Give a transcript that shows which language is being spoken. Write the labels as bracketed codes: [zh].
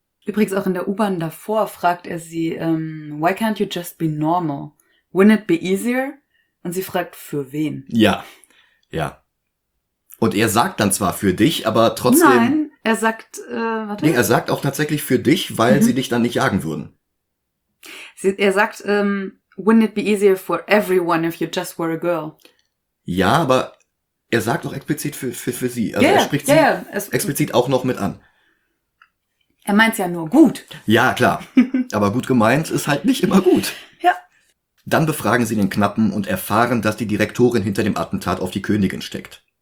[de] Übrigens auch in der U-Bahn davor fragt er sie, [en] why can't you just be normal? Wouldn't it be easier? [de] Und sie fragt, für wen? Ja. Und er sagt dann zwar für dich, aber trotzdem. Nein, Er sagt, warte. Nee, er sagt auch tatsächlich für dich, weil sie dich dann nicht jagen würden. Er sagt, [en] wouldn't it be easier for everyone if you just were a girl? [de] Ja, aber er sagt auch explizit für sie. Also yeah, er spricht sie explizit auch noch mit an. Er meint es ja nur gut. Ja, klar. Aber gut gemeint ist halt nicht immer gut. Ja. Dann befragen sie den Knappen und erfahren, dass die Direktorin hinter dem Attentat auf die Königin steckt.